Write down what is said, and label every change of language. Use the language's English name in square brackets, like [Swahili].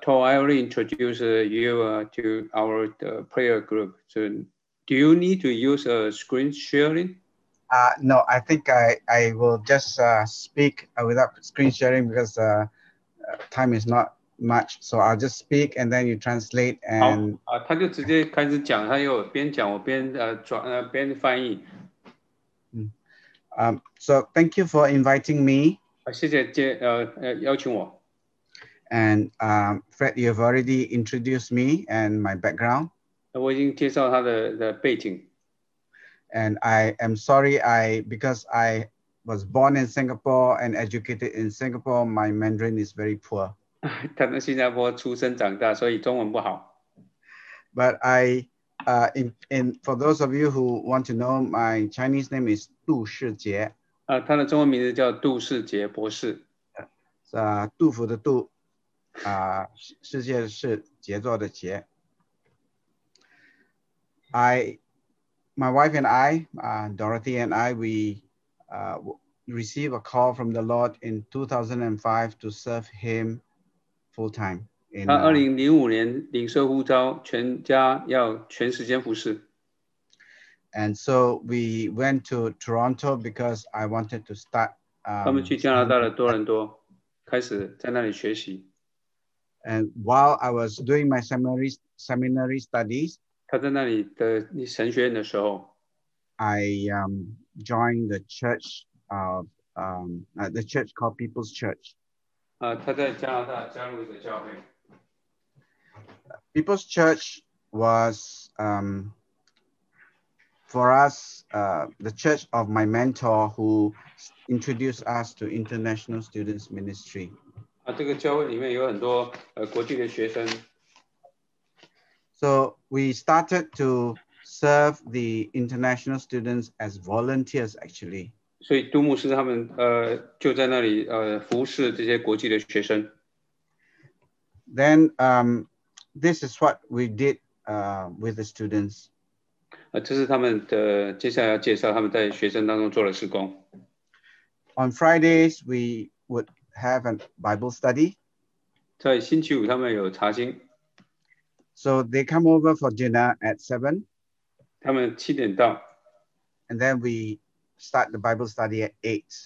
[English] Toh, I will introduce you to our prayer group soon. Do you need to use a screen sharing? No, I think I will just speak without screen sharing because time is not much. So I'll just speak and then you translate and. [Chinese] 好，他就直接开始讲，他又边讲我边边翻译。 [English] So thank you for inviting me. [Chinese] 谢谢邀请我。 [English] And Fred, you have already introduced me and my background. [Chinese] 我已经介绍他的背景。 [English] And I am sorry, because I was born in Singapore and educated in Singapore, my Mandarin is very poor. [Chinese] 他在新加坡出生长大，所以中文不好。 [English] But for those of you who want to know, my Chinese name is Du Shijie. [Chinese] 他的中文名字叫杜世杰博士。杜甫的杜，世界是杰作的杰。 [English] My wife and I, Dorothy and I, we received a call from the Lord in 2005 to serve Him full time in. [Chinese] 他2005年领受呼召，全家要全时间服侍。 [English] And so we went to Toronto because I wanted to start. [Chinese] 他们去加拿大的多伦多，开始在那里学习。 [English] And while I was doing my seminary studies. [Chinese] 他在那里的神学院的时候。 [English] I joined the church of the church called People's Church. [Chinese] 他在加拿大加入一个教会。 [English] People's Church was for us the church of my mentor who introduced us to International Students Ministry. [Chinese] 这个教会里面有很多国际的学生。 [English] So we started to serve the international students as volunteers, actually. [Chinese] 所以杜牧师他们就在那里服侍这些国际的学生。 [English] Then, this is what we did with the students. [Chinese] 这是他们的接下来要介绍他们在学生当中做的事工。 [English] On Fridays, we would have a Bible study. [Chinese] 在星期五他们有查经。 [English] So they come over for dinner at 7. [Chinese] 他们7点到， [English] And then we start the Bible study at 8.